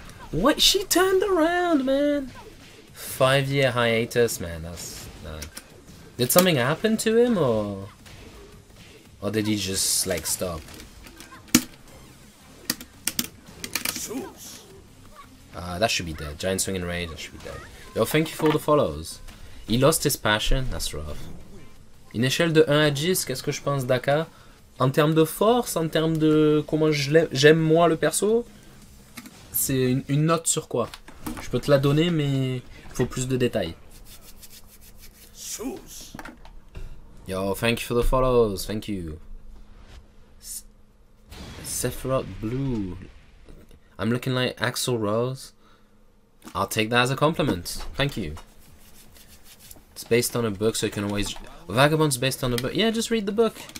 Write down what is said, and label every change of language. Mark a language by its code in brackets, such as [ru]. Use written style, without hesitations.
[en] What? She turned around, man. 5-year hiatus, man. That's... Nah. Did something happen to him, or... Or did he just, like, stop? That should be dead. Giant Swing and Rage, that should be dead. Yo, thank you for the follows. He lost his passion? That's rough. [fr] Une échelle de 1 à 10, qu'est-ce que je pense d'Aka? En termes de force, en termes de comment j'aime moi le perso, c'est une note sur quoi? Je peux te la donner, mais il faut plus de détails. [en] Yo, thank you for the follows, thank you. Sephiroth Blue. I'm looking like Axl Rose. I'll take that as a compliment. Thank you. It's based on a book, so you can always... Vagabond's based on a book. Yeah, just read the book.